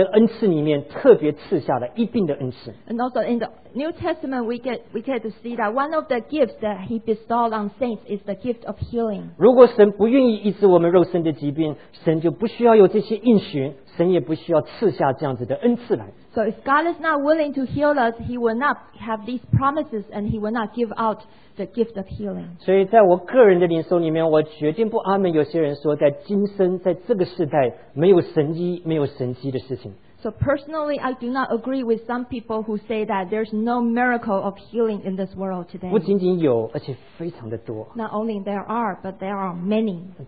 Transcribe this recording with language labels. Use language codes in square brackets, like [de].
[zh] 我们从新约圣经里面看见，在圣灵的恩赐里面特别赐下了医病的恩赐。 [en] And also in the New Testament, we get to see that one of the gifts that He bestowed on saints is the gift of healing. [zh] 如果神不愿意医治我们肉身的疾病，神就不需要有这些应许，神也不需要赐下这样子的恩赐来。 [en] So if God is not willing to heal us, He will not have these promises, and He will not give out the gift of healing. [zh] 所以在我个人的灵修里面，我绝对不阿门有些人说在今生在这个时代没有神迹没有神迹的事情。 [en] So personally, I do not agree with some people who say that there's no miracle of healing in this world today. [zh] 不仅仅有，而且非常的多。Not [en] only there are, but there are many.